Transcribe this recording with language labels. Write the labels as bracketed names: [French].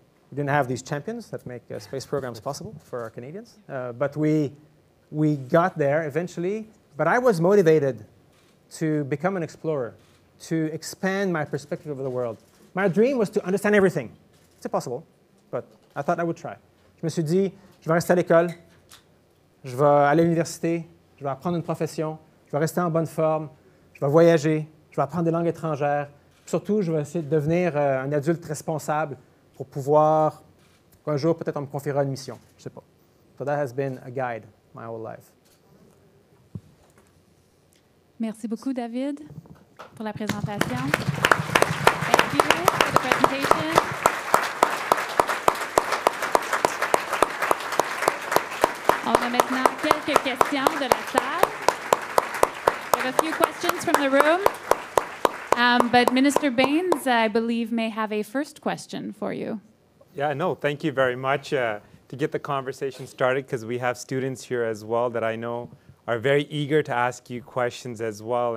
[English] We didn't have these champions that make space programs possible for our Canadians. But we got there eventually. But I was motivated to become an explorer, to expand my perspective of the world. My dream was to understand everything. It's impossible, but I thought I would try. [French] Je me suis dit, je vais rester à l'école, je vais aller à l'université, je vais apprendre une profession, je vais rester en bonne forme, je vais voyager, je vais apprendre des langues étrangères, surtout, je vais essayer de devenir un adulte responsable pour pouvoir, un jour, peut-être on me confiera une mission, je ne sais pas. [English] So that has been a guide my whole life. [French] Merci beaucoup, David, pour la présentation. [English] Thank you for the presentation. [French] On a maintenant quelques questions de la salle. [English] We have a few questions from the room. But Minister Bains, I believe, may have a first question for you. Yeah, no, thank you very much to get the conversation started, because we have students here as well that I know are very eager to ask you questions as well.